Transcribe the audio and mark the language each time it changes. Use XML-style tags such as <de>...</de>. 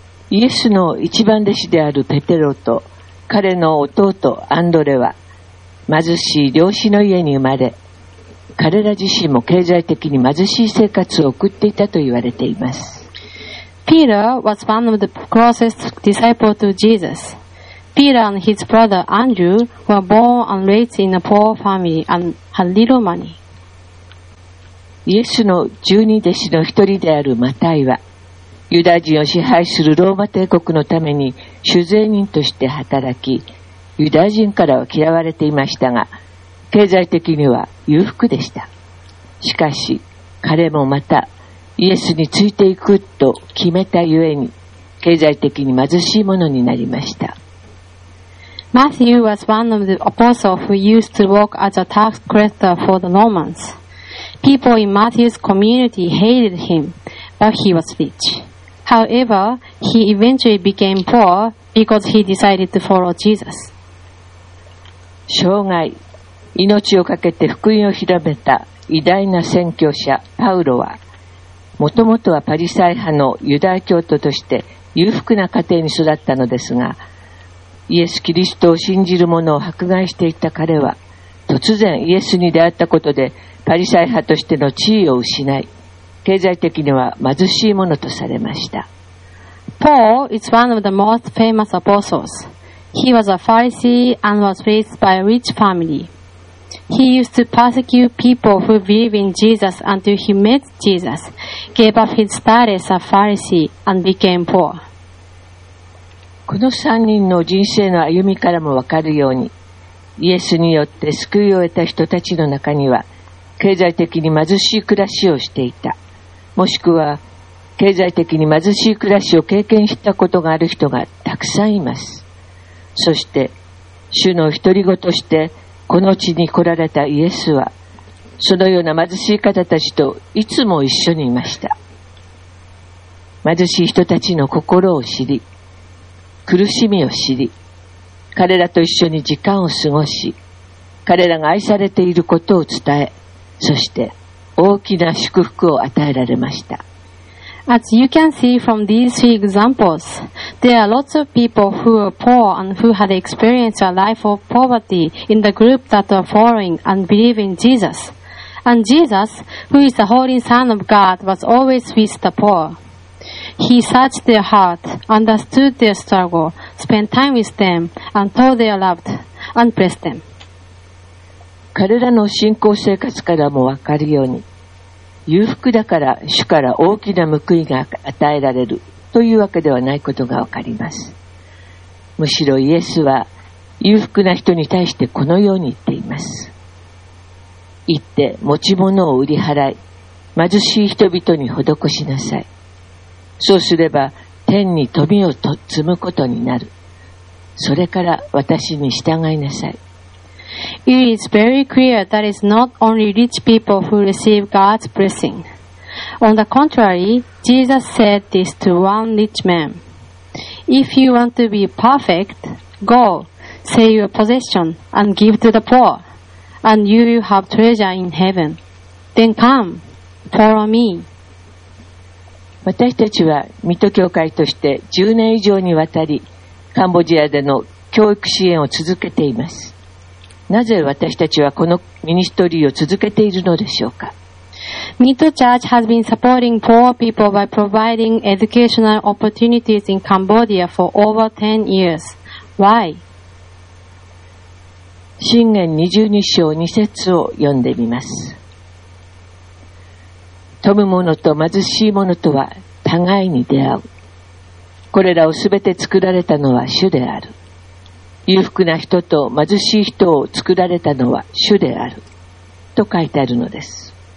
<ja>イエスの一番弟子であるペテロと彼の弟アンドレは貧しい漁師の家に生まれ、彼ら自身も経済的に貧しい生活を送っていたと言われています。</ja> <en>Peter was one of the closest disciples to Jesus. Peter and his brother Andrew were born and raised in a poor family and had little money.</en> <ja>イエスの十二弟子の一人であるマタイは、ユダ人を支配するローマ帝国のために主税人として働き、ユダ人からは嫌われていましたが、経済的には裕福でした。しかし、彼もまた、イエスについていくと決めたゆえに、経済的に貧しいものになりました。</ja> <en>Matthew was one of the apostles who used to work as a tax collector for the Romans. People in Matthew's community hated him, but he was rich. However, he eventually became poor because he decided to follow Jesus.</en> <ja>生涯、命をかけて福音を広めた偉大な宣教者パウロは、もともとはパリサイ派のユダヤ教徒として裕福な家庭に育ったのですが、イエス・キリストを信じる者を迫害していた彼は、突然イエスに出会ったことでパリサイ派としての地位を失い、経済的には貧しい者とされました。</ja> <en>Paul is one of the most famous apostles. He was a Pharisee and was raised by a rich family. He used to persecute people who believe in Jesus until he met Jesus, gave up his status as a Pharisee and became poor.</en> <ja>この3人の人生の歩みからもわかるように、イエスによって救いを得た人たちの中には、経済的に貧しい暮らしをしていた、もしくは経済的に貧しい暮らしを経験したことがある人がたくさんいます。そして、主の独り子としてこの地に来られたイエスは、そのような貧しい方たちといつも一緒にいました。貧しい人たちの心を知り、苦しみを知り、彼らと一緒に時間を過ごし、彼らが愛されていることを伝え、そして大きな祝福を与えられました。</ja> <en>As you can see from these three examples, there are lots of people who were poor and who had experienced a life of poverty in the group that were following and believing Jesus. And Jesus, who is the Holy Son of God, was always with the poor. He searched their heart, understood their struggle, spent time with them, and taught their love, and blessed them.</en> <ja>彼らの信仰生活からもわかるように、裕福だから主から大きな報いが与えられるというわけではないことがわかります。むしろイエスは裕福な人に対してこのように言っています。行って持ち物を売り払い、貧しい人々に施しなさい。そうすれば天に富を積むことになる。それから私に従いなさい。</ja> <en>It is very clear that it's not only rich people who receive God's blessing. On the contrary, Jesus said this to one rich man. If you want to be perfect, go, sell your possession, and give to the poor, and you will have treasure in heaven. Then come, follow me.</en> <ja>私たちは水戸教会として10年以上にわたり、カンボジアでの教育支援を続けています。なぜ私たちはこのミニストリーを続けているのでしょうか。</ja> <en>Mito Church has been supporting poor people by providing educational opportunities in Cambodia for over 10 years. Why?</en> <ja>箴言22章2節を読んでみます。富む者と貧しい者とは互いに出会う。これらをすべて作られたのは主である。裕福な人と貧しい人を作られたのは主であると書いてあるのです。</ja>